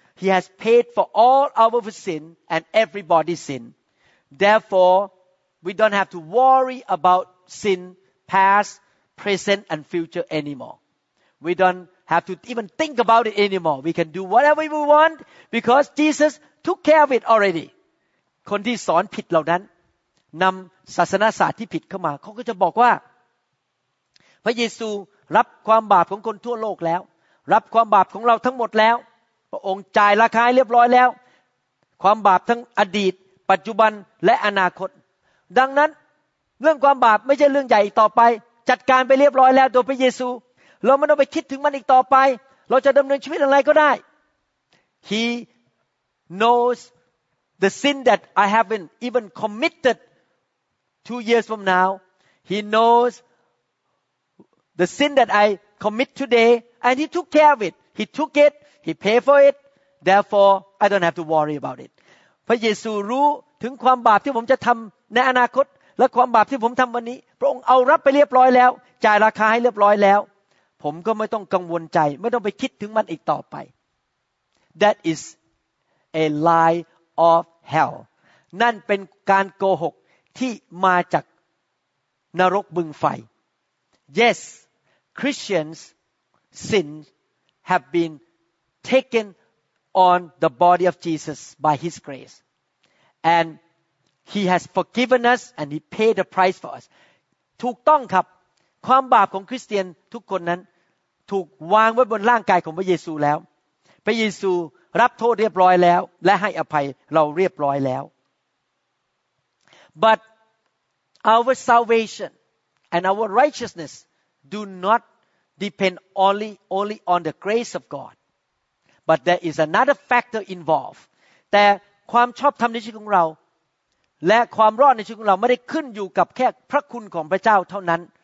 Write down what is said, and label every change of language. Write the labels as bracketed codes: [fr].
[en] He has paid for all of our sin and everybody's sin. Therefore, we don't have to worry about sin past, present and future anymore. We don't have to even think about it anymore. We can do whatever we want because Jesus took care of it already. [th] คนที่สอนผิดเหล่านั้นนำศาสนศาสตร์ที่ผิดเข้ามาเขาก็จะบอกว่าพระเยซูรับความบาปของคนทั่วโลกแล้วรับความบาปของเราทั้งหมดแล้วพระองค์จ่ายราคาเรียบร้อยแล้วความบาปทั้งอดีตปัจจุบันและอนาคตดังนั้นเรื่องความบาปไม่ใช่เรื่องใหญ่ต่อไปจัดการไปเรียบร้อยแล้วโดยพระเยซูเราไม่ต้องไปคิดถึงมันอีกต่อไปเราจะดำเนินชีวิตอะไรก็ได้ [en] He knows the sin that I haven't even committed 2 years from now, he knows the sin that I commit today, and he took care of it. He took it. He paid for it. Therefore, I don't have to worry about it. [th] พระเยซูรู้ถึงความบาปที่ผมจะทำในอนาคตและความบาปที่ผมทำวันนี้พระองค์เอารับไปเรียบร้อยแล้วจ่ายราคาให้เรียบร้อยแล้วผมก็ไม่ต้องกังวลใจไม่ต้องไปคิดถึงมันอีกต่อไป [en] That is a lie of hell. [th] นั่นเป็นการโกหกที่มาจากนรกบึงไฟ [en] Yes, Christians' sins have been taken on the body of Jesus by His grace. And He has forgiven us and He paid the price for us. [th] ถูกต้องครับความบาปของคริสเตียนทุกคนนั้นถูกวางไว้บนร่างกายของพระเยซูแล้วพระเยซูรับโทษเรียบร้อยแล้วและให้อภัยเราเรียบร้อยแล้ว [en] But our salvation and our righteousness do not depend only on the grace of God but there is another factor involved [th] แต่ความชอบธรรมในชีวิตของเราและความรอดในชีวิตของเราไม่ได้ขึ้นอยู่กับแค่พระคุณของพระเจ้าเท่านั้น